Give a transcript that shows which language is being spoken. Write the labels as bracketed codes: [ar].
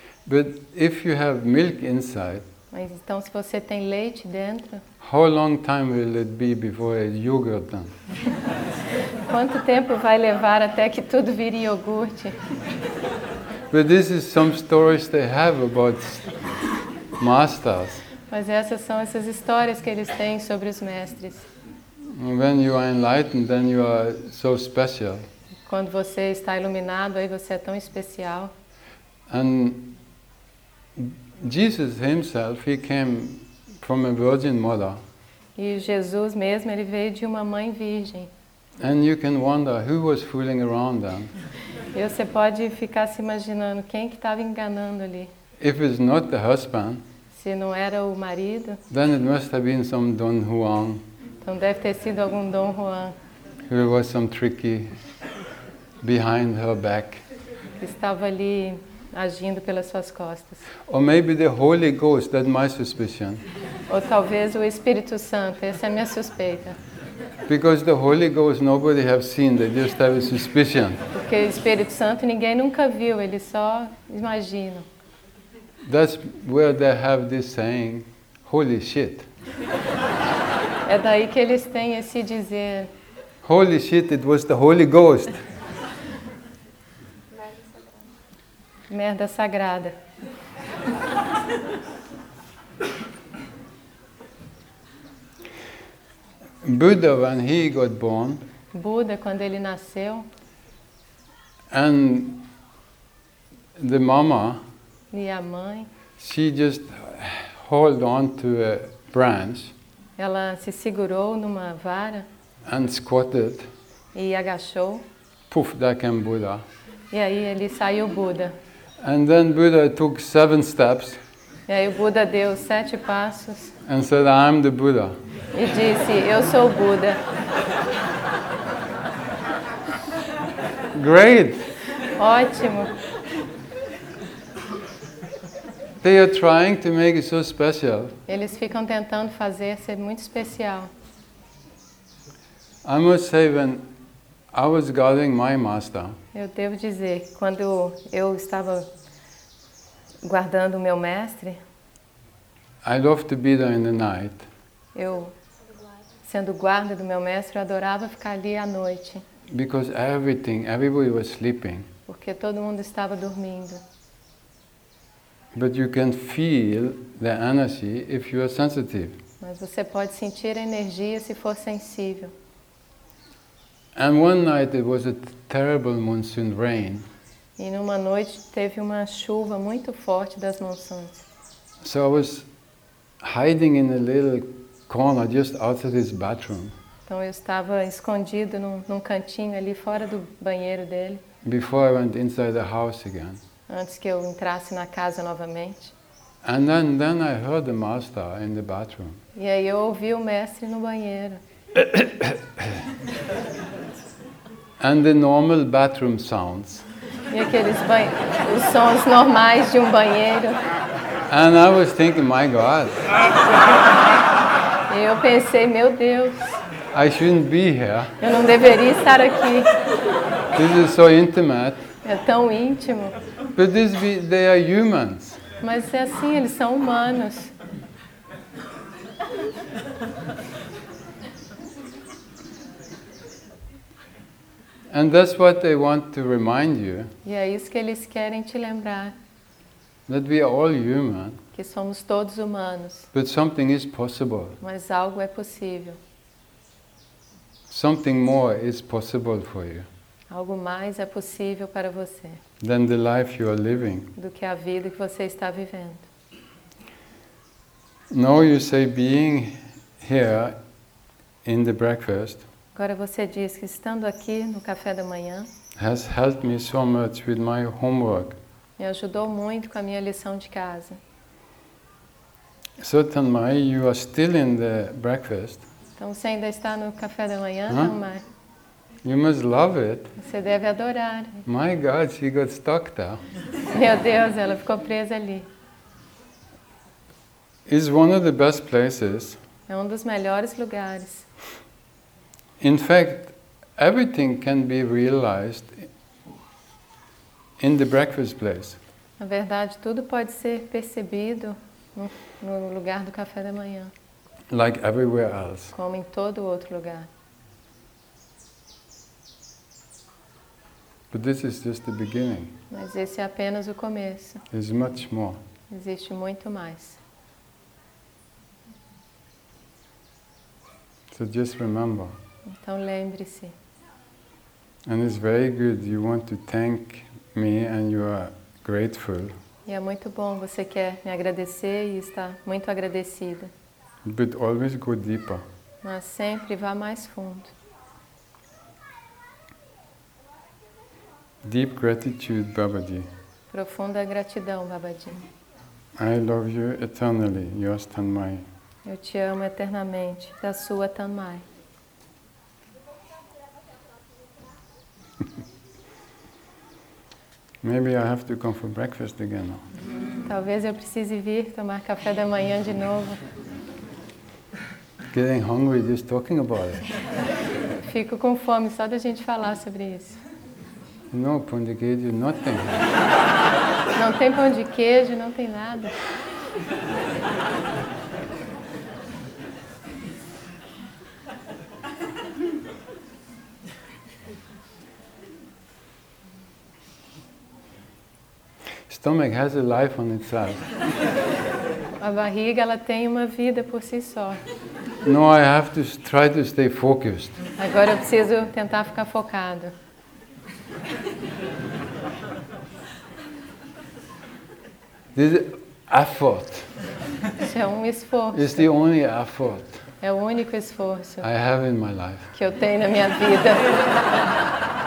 [en] But if you have milk inside, [pt] mas então se você tem leite dentro, [en] how long time will it be before a yogurt then? [pt] Quanto tempo vai levar até que tudo vire iogurte? [en] But this is some stories they have about masters. [pt] Mas essas são essas histórias que eles têm sobre os mestres. [en] When you are enlightened, then you are so special. [pt] Quando você está iluminado, aí você é tão especial. [en] And Jesus himself, he came from a virgin mother. [pt] E Jesus mesmo, ele veio de uma mãe virgem. [en] And you can wonder who was fooling around then. [pt] E você pode ficar se imaginando quem que estava enganando ali. [en] If it's not the husband, [pt] se não era o marido, [en] then it must have been some Don Juan. [pt] Então deve ter sido algum Don Juan. [en] Who was some tricky behind her back. [pt] Que estava ali agindo pelas suas costas. [en] Or maybe the Holy Ghost, that's my suspicion. [pt] Ou talvez o Espírito Santo, essa é a minha suspeita. [en] Because the Holy Ghost nobody have seen, they just have a suspicion. [pt] Porque o Espírito Santo ninguém nunca viu, ele só imagina. [en] That's where they have this saying, holy shit. [pt] É daí que eles têm esse dizer. [en] Holy shit, it was the Holy Ghost. [pt] Merda sagrada. [en] Buddha, when he got born. [pt] Buda, quando ele nasceu. [en] And the mama. [pt] E a mãe. [en] She just held on to a branch. [pt] Ela se segurou numa vara. [en] And squatted. [pt] E agachou. [en] Poof, there came Buddha. [pt] E aí ele saiu Buda. [en] And then Buddha took 7 steps. [pt] E aí o Buda deu 7 passos. [en] And said, I'm the Buddha. [pt] E disse, eu sou o Buda. [en] Great. [pt] Ótimo. [en] They are trying to make it so special. [pt] Eles ficam tentando fazer ser muito especial. [en] I must say, when I was guarding my master. [pt] Eu devo dizer, quando eu estava guardando o meu mestre. [en] I love to be there in the night. [pt] Eu, sendo guarda do meu mestre, eu adorava ficar ali à noite. [en] Because everybody was sleeping. [pt] Porque todo mundo estava dormindo. [en] But you can feel the energy if you are sensitive. [pt] Mas você pode sentir a energia se for sensível. [en] And one night it was a terrible monsoon rain. [pt] E numa noite teve uma chuva muito forte das monções. [en] So I was hiding in a little corner just outside his bathroom. [pt] Então eu estava escondido num cantinho ali fora do banheiro dele. [en] Before I went inside the house again. [pt] Antes que eu entrasse na casa novamente. [en] And then I heard the master in the bathroom. [pt] E aí eu ouvi o mestre no banheiro. [en] And the normal bathroom sounds. [pt] E aqueles os sons normais de banheiro. [en] And I was thinking, my God. [pt] E eu pensei, meu Deus. [en] I shouldn't be here. [pt] Eu não deveria estar aqui. [en] This is so intimate. [pt] É tão íntimo. [en] But they are humans. [pt] Mas é assim, eles são humanos. [en] And that's what they want to remind you. [pt] E é isso que eles querem te lembrar. [en] That we are all human. [pt] Que somos todos humanos. [en] But something is possible. [pt] Mas algo é possível. [en] Something more is possible for you. [pt] Algo mais é possível para você. [en] Than the life you are living. [pt] Do que a vida que você está vivendo. [en] Now you say being here in the breakfast. [pt] Agora você diz que estando aqui no café da manhã [en] has helped me so much with my homework. [pt] Me ajudou muito com a minha lição de casa. [en] So Tanmai, you are still in the breakfast. [pt] Então você ainda está no café da manhã, huh? [en] Tanmai? You must love it. [pt] Você deve adorar. [en] My God, she got stuck there. [pt] Meu Deus, ela ficou presa ali. [en] It's one of the best places. [pt] É dos melhores lugares. [en] In fact, everything can be realized in the breakfast place. [pt] Na verdade, tudo pode ser percebido no lugar do café da manhã. [en] Like everywhere else. [pt] Como em todo outro lugar. [en] But this is just the beginning. [pt] Mas esse é apenas o começo. [en] There's much more. [pt] Existe muito mais. [en] So just remember. [pt] Então lembre-se. [en] And it's very good. You want to thank me and you are grateful. [pt] E é muito bom. Você quer me agradecer e está muito agradecida. [en] But always go deeper. [pt] Mas sempre vá mais fundo. [en] Deep gratitude, Babaji. [pt] Profunda gratidão, Babaji. [en] I love you eternally, yours Tanmai. [pt] Eu te amo eternamente, da sua Tanmai. [en] Maybe I have to come for breakfast again now. [pt] Talvez eu precise vir tomar café da manhã de novo. [en] Getting hungry just talking about it. [pt] Fico com fome só da gente falar sobre isso. No pão de queijo, [en] nothing. [pt] Não tem pão de queijo, não tem nada. [en] Stomach has a life on itself. [pt] A barriga, ela tem uma vida por si só. [en] No, I have to try to stay focused. [pt] Agora eu preciso tentar ficar focado. [en] This effort. [pt] Isso é esforço. [en] It's the only effort. [pt] É o único esforço. [en] I have in my life. [pt] Que eu tenho na minha vida.